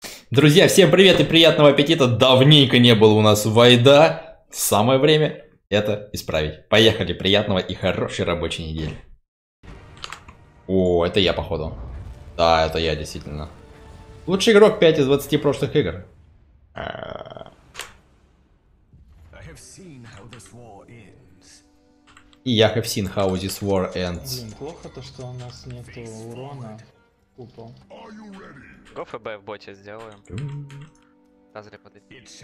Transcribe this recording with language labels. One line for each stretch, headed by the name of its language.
Russian: Друзья, всем привет и приятного аппетита! Давненько не было у нас Вайда. Самое время это исправить. Поехали, приятного и хорошей рабочей недели. О, это я, походу. Да, это я, действительно. Лучший игрок 5 из 20 прошлых игр.
English: I have seen how this war ends.
Russian: И я
English: have seen how this war ends.
Russian: Блин, плохо то, что у нас нет урона. Купол. Го ФБ в боте сделаем. Разре подойти.